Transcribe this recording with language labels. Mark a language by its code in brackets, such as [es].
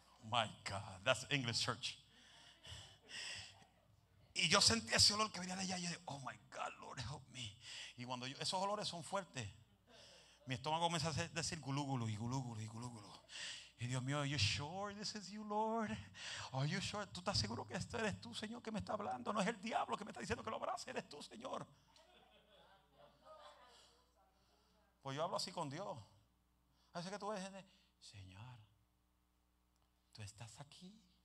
[en] My God, that's English church. [es] Y yo sentí ese olor que venía de allá. Y yo dije: [en] oh my God, Lord, help me. [es] Y cuando yo, esos olores son fuertes, mi estómago comienza a decir gulúgulo y gulúgulo y gulúgulo. Y Dios mío, [en] are you sure this is you, Lord? Are you sure? [es] ¿Tú estás seguro que este eres tú, Señor, que me está hablando? No es el diablo que me está diciendo que lo abrace, eres tú, Señor. Pues yo hablo así con Dios. A veces que tú ves, Señor, tú estás aquí.